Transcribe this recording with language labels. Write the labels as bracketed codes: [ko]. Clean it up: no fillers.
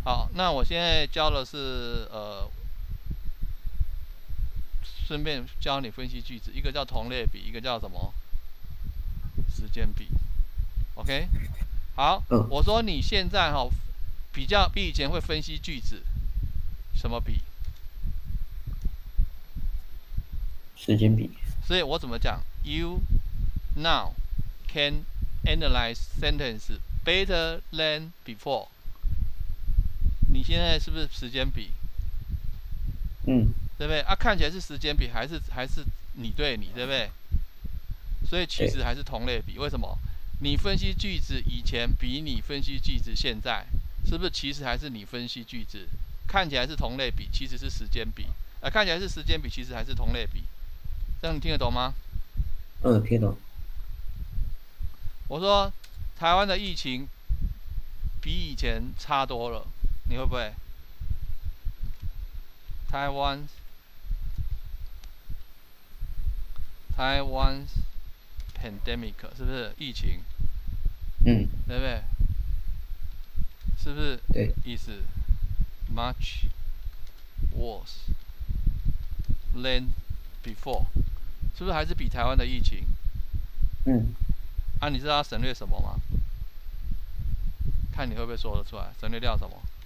[zh] 好，那我现在教的是顺便教你分析句子，一个叫同类比，一个叫什么？时间比。OK。 好，我说你现在哈。比较比以前会分析句子，什么比？时间比。所以我怎么讲 [en] ？You now can analyze sentence better than before。 [zh] 你现在是不是时间比？嗯，对不对？啊，看起来是时间比，还是你对你，对不对？所以其实还是同类比。为什么？你分析句子以前比你分析句子现在。是不是其实还是你分析句子，看起来是同类比，其实是时间比，看起来是时间比，其实还是同类比，这样你听得懂吗？嗯，听得懂。我说台湾的疫情比以前差多了，你会不会？台湾's pandemic 是不是疫情？嗯，对不对？是不是意思 [en] much worse than before？ [zh] 是不是还是比台湾的疫情？嗯。啊，你知道他省略什么吗？看你会不会说得出来，省略掉什么？